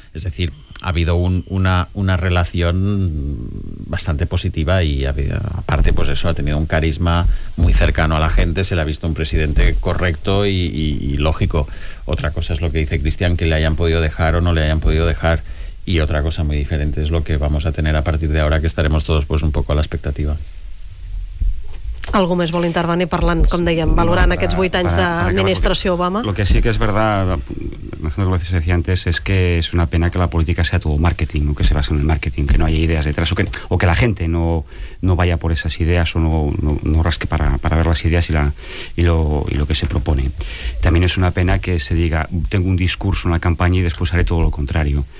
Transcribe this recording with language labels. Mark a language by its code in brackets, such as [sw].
[es] Es decir, ha habido una relación bastante positiva y aparte, pues eso, ha tenido un carisma muy cercano a la gente, se le ha visto un presidente correcto y lógico. Otra cosa es lo que dice Cristian, que le hayan podido dejar o no le hayan podido dejar, y otra cosa muy diferente es lo que vamos a tener a partir de ahora, que estaremos todos pues un poco a la expectativa. [ca] Algú més vol intervenir parlant, com dèiem, valorant aquests 8 anys d'administració Obama? [es] Lo que sí que es verdad, imagino que lo que decía antes, es que es una pena que la política sea todo marketing, que se basa en el marketing, que no haya ideas detrás, o que la gente no vaya por esas ideas o no rasque para ver las ideas y lo que se propone. También es una pena que se diga, tengo un discurso en la campaña y después haré todo lo contrario.